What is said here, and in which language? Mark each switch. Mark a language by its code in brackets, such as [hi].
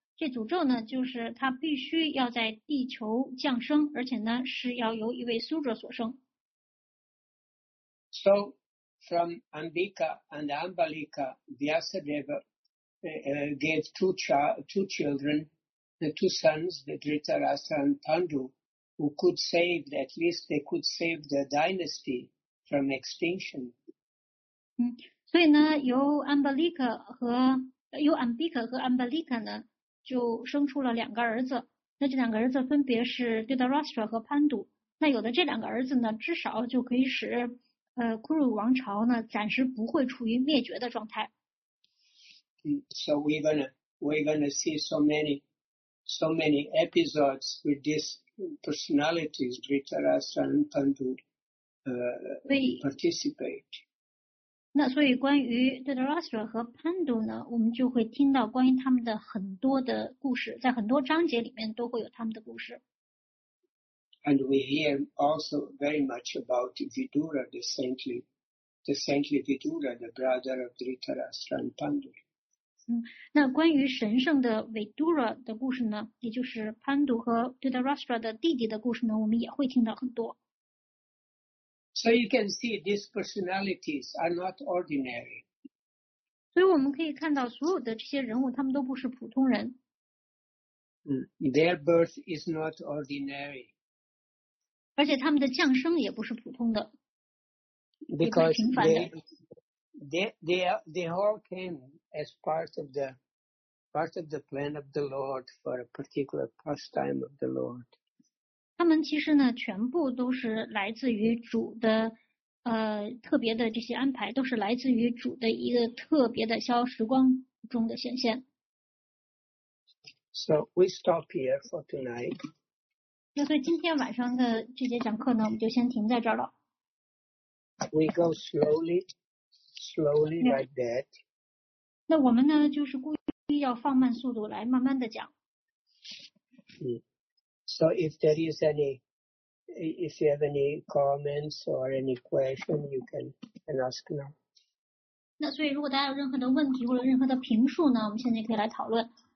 [zh] 这诅咒呢，就是他必须要在地球降生，而且呢，是要由一位 Sudra 所生。 [en] So, from Ambika and Ambalika, Vyasadeva gave two children. The two sons, the Dhritarashtra and Pandu, who could save, at least they could save the dynasty from extinction. [zh] 所以呢，由 Ambika 和 Ambalika 呢，就生出了两个儿子。那这两个儿子分别是 Dhritarashtra 和 Pandu。那有的这两个儿子呢，至少就可以使Kuru 王朝呢，暂时不会处于灭绝的状态。 [en] So we're gonna see so many episodes with these personalities, Dhritarashtra and Pandu, participate. [zh] 那所以关于 Dhritarashtra 和 Pandu 呢，我们就会听到关于他们的很多的故事，在很多章节里面都会有他们的故事。 [en] And we hear also very much about Vidura, the saintly Vidura, the brother of Dhritarashtra and Pandu. [zh] 那关于神圣的 Vidura 的故事呢，也就是 Pandu 和 Dhritarashtra 的弟弟的故事呢，我们也会听到很多。 [en] So you can see these personalities are not ordinary. [zh] 所以我们可以看到所有的这些人物，他们都不是普通人。 [en] Their birth is not ordinary. [zh] 而且他们的降生也不是普通的。 [en] Because they all came as part of the plan of the Lord for a particular pastime of the Lord. [zh] 他们其实呢，全部都是来自于主的，特别的这些安排，都是来自于主的一个特别的消时光中的显现。 [en] So we stop here for tonight. [zh] 那所以今天晚上的这节讲课呢，我们就先停在这儿了。 [en] We go slowly, slowly like that. [zh] 那我们呢，就是故意要放慢速度来慢慢的讲。 [en] So if there is any, if you have any comments or any question, you can ask now. [zh] 那所以如果大家有任何的问题或者任何的评述呢，我们现在可以来讨论。